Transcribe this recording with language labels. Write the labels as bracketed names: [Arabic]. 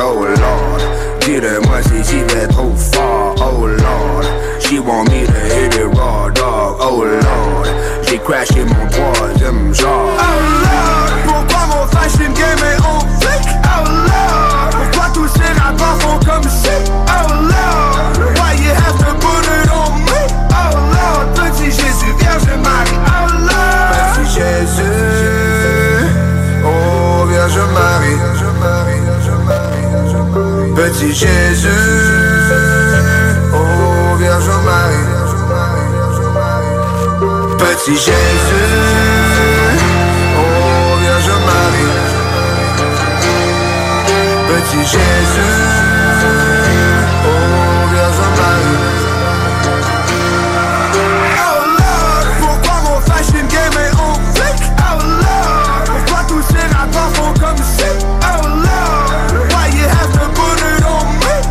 [French] Oh lord, dis-le-moi si j'y vais trop fort. [English] Oh lord, she want me to hit it raw dog. [French] Oh lord, j'ai crashé mon troisième genre. Oh lord, pourquoi mon flash team game est on fleek? Oh lord, pourquoi tous ces rappeurs font comme si? [English] Oh lord, why you have to put it on me? [French] Oh lord, petit Jésus, Vierge Marie. Oh lord, merci Jésus. Oh Vierge Marie, Vierge Marie, Vierge Marie, Vierge Marie. Petit Jésus. Petit Jésus, oh Vierge Marie. Petit Jésus, oh Vierge Marie. Oh Lord, pourquoi mon fashion game est on fleek? Oh Lord, pourquoi tous ces rappeurs font comme si? [English] Oh Lord, why you have to put it on me?